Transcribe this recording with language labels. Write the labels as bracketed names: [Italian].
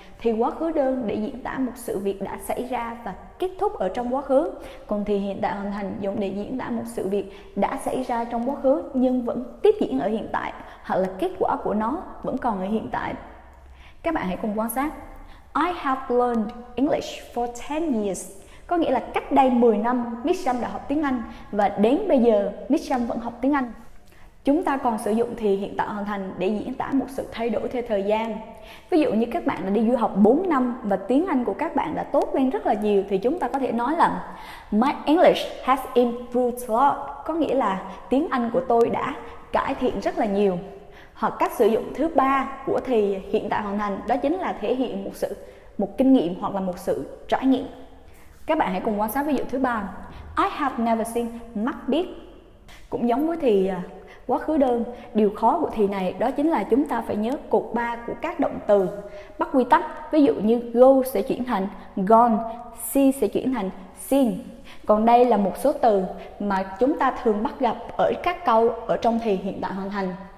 [Vietnamese] Thì quá khứ đơn để diễn tả một sự việc đã xảy ra và kết thúc ở trong quá khứ. Còn thì hiện tại hoàn thành dùng để diễn tả một sự việc đã xảy ra trong quá khứ nhưng vẫn tiếp diễn ở hiện tại, hoặc là kết quả của nó vẫn còn ở hiện tại. Các bạn hãy cùng quan sát. [English] I have learned English for 10 years. [Vietnamese] Có nghĩa là cách đây 10 năm, Miss Trâm đã học tiếng Anh và đến bây giờ, Miss Trâm vẫn học tiếng Anh. Chúng ta còn sử dụng thì hiện tại hoàn thành để diễn tả một sự thay đổi theo thời gian. Ví dụ như các bạn đã đi du học 4 năm và tiếng Anh của các bạn đã tốt lên rất là nhiều thì chúng ta có thể nói là [English] My English has improved a lot. [Vietnamese] Có nghĩa là tiếng Anh của tôi đã cải thiện rất là nhiều. Hoặc cách sử dụng thứ 3 của thì hiện tại hoàn thành đó chính là thể hiện một kinh nghiệm hoặc là một sự trải nghiệm. Các bạn hãy cùng quan sát ví dụ thứ 3. [English] I have never seen mắt biết. [Vietnamese] Cũng giống với thì quá khứ đơn, điều khó của thì này đó chính là chúng ta phải nhớ cột 3 của các động từ bắt quy tắc. Ví dụ như go sẽ chuyển thành gone, see sẽ chuyển thành seen. Còn đây là một số từ mà chúng ta thường bắt gặp ở các câu ở trong thì hiện tại hoàn thành.